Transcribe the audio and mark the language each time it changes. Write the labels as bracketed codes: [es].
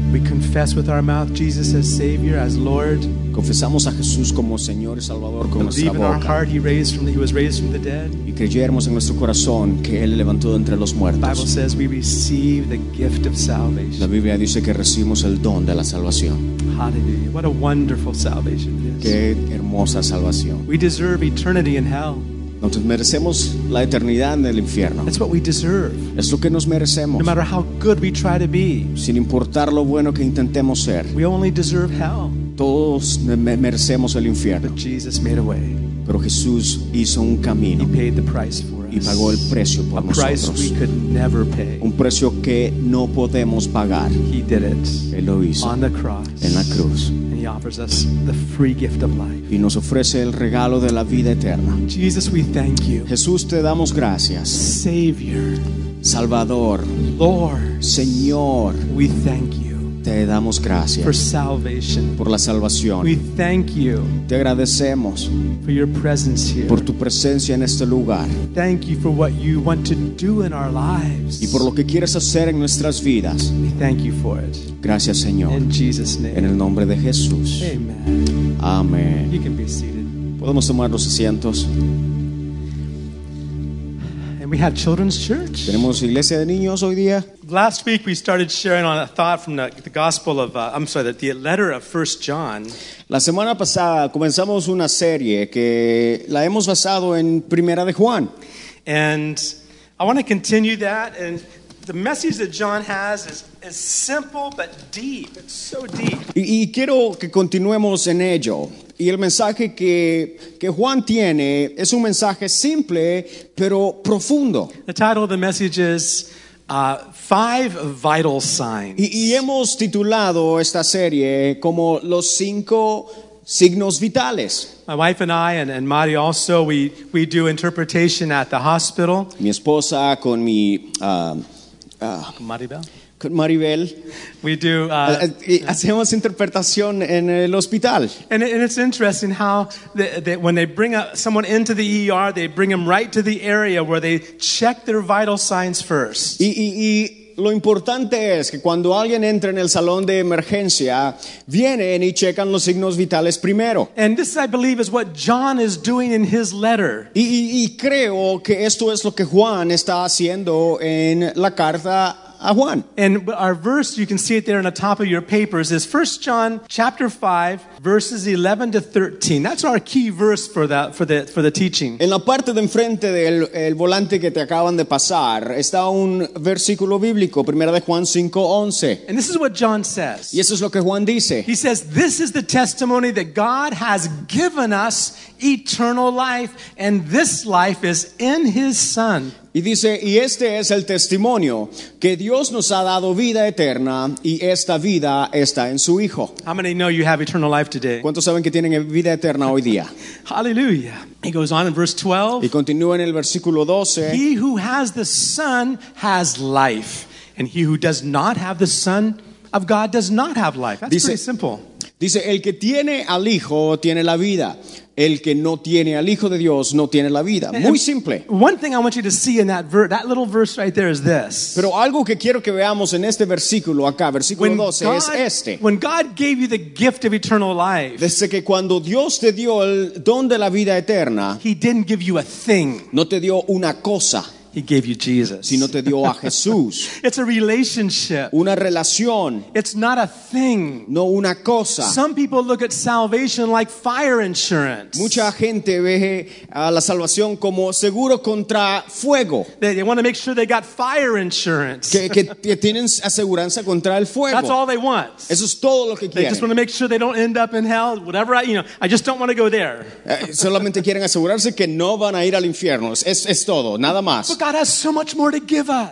[en] We confess with our mouth Jesus as Savior, as Lord. [es] Confesamos a Jesús como Señor y Salvador con nuestra boca. [en] In our heart he was raised from the dead. [es] Y creyéramos en nuestro corazón que Él levantó entre los muertos. [en] The Bible says we receive the gift of salvation. [es] La Biblia dice que recibimos el don de la salvación. [en] Hallelujah. What a wonderful salvation it is. [es] Qué hermosa salvación. [en] We deserve eternity in hell. [es] Nos merecemos la eternidad en el infierno. [en] That's what we deserve. [es] Es lo que nos merecemos. [en] No matter how good we try to be. [es] Sin importar lo bueno que intentemos ser. [en] We only deserve hell. [es] Todos merecemos el infierno. [en] But Jesus made a way. [es] Pero Jesús hizo un camino. [en] He paid the price for us. [es] Y pagó el precio por nosotros. [en] A price we could never pay. [es] Un precio que no podemos pagar. [en] He did it. [es] Él lo hizo. [en] On the cross. [es] En la cruz. [en] And he offers us the free gift of life. [es] Y nos ofrece el regalo de la vida eterna. [en] Jesus, we thank you. [es] Jesús, te damos gracias. [en] Savior. [es] Salvador. [en] Lord. [es] Señor. [en] We thank you. [es] Te damos gracias [en] for salvation. [es] Por la salvación. [en] We thank you. [es] Te agradecemos [en] for your presence here. [es] Por tu presencia en este lugar. [en] Thank you for what you want to do in our lives. [es] Y por lo que quieres hacer en nuestras vidas. [en] We thank you for it. [es] Gracias, Señor. [en] In Jesus' name. [es] En el nombre de Jesús. [en] Amen. [es] Amén. [en] You can be seated. [es] Podemos tomar los asientos. [en] And we have children's church. [es] Tenemos iglesia de niños hoy día. [en] Last week we started sharing on a thought from the gospel of the letter of 1 John. [es] La semana pasada comenzamos una serie que la hemos basado en Primera de Juan. [en] And I want to continue that, and the message that John has is simple but deep. It's so deep. [es] Y quiero que continuemos en ello. Y el mensaje que Juan tiene es un mensaje simple pero profundo. [en] The title of the message is Five Vital Signs. [es] Y hemos titulado esta serie como Los Cinco Signos Vitales. [en] My wife and I and Mari also we do interpretation at the hospital. [es] Mi esposa con mi Maribel. Con Maribel, [en] we do [es] hacemos interpretación en el hospital. [en] And it's interesting how they, when they bring someone into the ER, they bring them right to the area where they check their vital signs first. [es] Y lo importante es que cuando alguien entra en el salón de emergencia, vienen y checan los signos vitales primero. [en] And this, I believe, is what John is doing in his letter. [es] Y creo que esto es lo que Juan está haciendo en la carta. [en] And our verse, you can see it there on the top of your papers, is 1 John chapter 5, verses 11 to 13. That's our key verse for the teaching. [es] En la parte de enfrente del el volante que te acaban de pasar, está un versículo bíblico, 1 de Juan 5, 11. [en] And this is what John says. [es] Y eso es lo que Juan dice. [en] He says, this is the testimony that God has given us eternal life, and this life is in his Son. [es] Y dice, y este es el testimonio, que Dios nos ha dado vida eterna, y esta vida está en su Hijo. [en] How many know you have eternal life today? [es] ¿Cuántos saben que tienen vida eterna hoy día? [en] Hallelujah. He goes on in verse 12. [es] Y continúa en el versículo 12. [en] He who has the Son has life, and he who does not have the Son of God does not have life. That's [es] dice, [en] pretty simple. [es] Dice, el que tiene al Hijo tiene la vida. El que no tiene al Hijo de Dios no tiene la vida. Muy simple. [en] One thing I want you to see in that little verse right there is this. [es] Pero algo que quiero que veamos en este versículo acá, versículo 12, es este. [en] When God gave you the gift of eternal life. [es] Dice que cuando Dios te dio el don de la vida eterna. [en] He didn't give you a thing. [es] No te dio una cosa. [en] He gave you Jesus. [es] Sino te dio a Jesús. [en] It's a relationship. [es] Una relación. [en] It's not a thing. [es] No una cosa. [en] Some people look at salvation like fire insurance. [es] Mucha gente ve a la salvación como seguro contra fuego. [en] They want to make sure they got fire insurance. [es] Que tienen aseguranza contra el fuego. [en] That's all they want. [es] Eso es todo lo que quieren. [en] They just want to make sure they don't end up in hell. Whatever I just don't want to go there. [es] Solamente quieren asegurarse que no van a ir al infierno. Es todo, nada más. [en] But God has so much more to give us.